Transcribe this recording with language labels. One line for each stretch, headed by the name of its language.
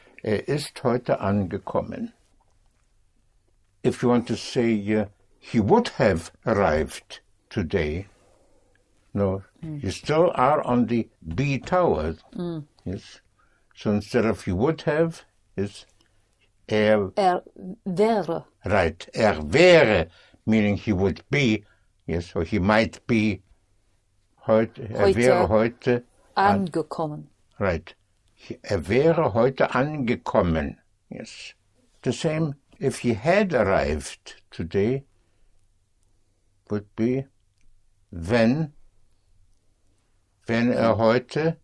German: Er ist heute angekommen.
English: If you want to say he would have arrived today, no, you still are on the B tower, yes? So instead of he would have, is er,
German: Er wäre.
English: right,
German: er wäre,
English: meaning he would be, yes, or he might be,
German: heute, er wäre Heute heute, an, angekommen. right, er wäre heute angekommen, yes.
English: The same, if he had arrived today, would be,
German: wenn er heute